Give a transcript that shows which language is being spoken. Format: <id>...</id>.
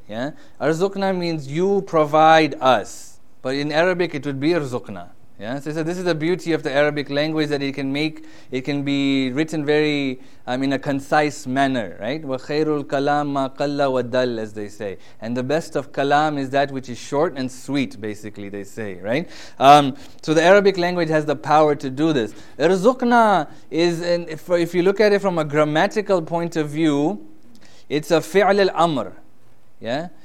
<en>Yeah, arzukna means you provide us, but in Arabic it would be arzukna. Yeah, so he said, this is the beauty of the Arabic language, that it can be written very in a concise manner, right?</en> <ar>وَخَيْرُ الْكَلَامَ مَا قَلَّ وَدَلَّ,</ar> <en>as they say. And the best of kalam is that which is short and sweet, basically, they say, right? So the Arabic language has the power to do this.</en> <ar>اِرْزُقْنَا</ar> <en>is, if you look at it from a grammatical point of view, it's a</en> <ar>فعل الأمر,</ar> <en>yeah?</en>